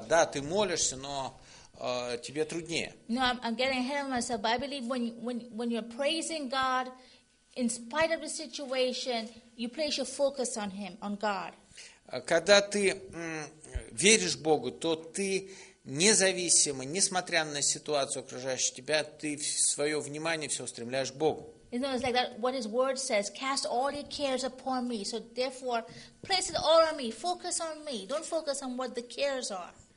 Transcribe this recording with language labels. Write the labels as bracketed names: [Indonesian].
[Russian] Да, ты молишься, но тебе труднее. [English] No, I'm getting ahead of myself, but I believe when you're praising God, in spite of the situation, you place your focus on Him, on God. [Russian] Когда ты веришь Богу, то ты независимо, несмотря на ситуацию окружающую тебя, ты свое внимание все устремляешь к Богу. [English] You know, it's like that, what His Word says, cast all your cares upon me. So therefore, place it all on me, focus on me. Don't focus on what the cares are.